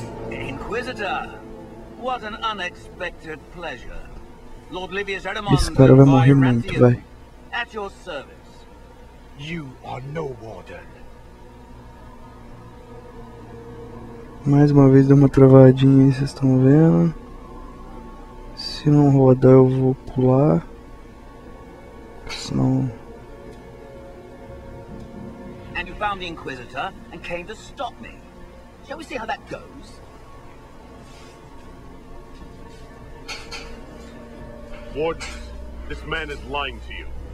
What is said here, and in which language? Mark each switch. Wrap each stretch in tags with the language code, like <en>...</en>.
<en>Inquisitor, what an unexpected pleasure. Lord Livius Edamon.</en> <pt>Esse cara vai morrer muito, vai.</pt> <en>At your service. You are no warden.</en> <pt>Mais uma vez deu uma travadinha aí, vocês estão vendo. Se não rodar eu vou pular. Senão.</pt> <en>And you found the Inquisitor and came to stop me. Shall we see how that goes? Warden, this man is lying to you.</en>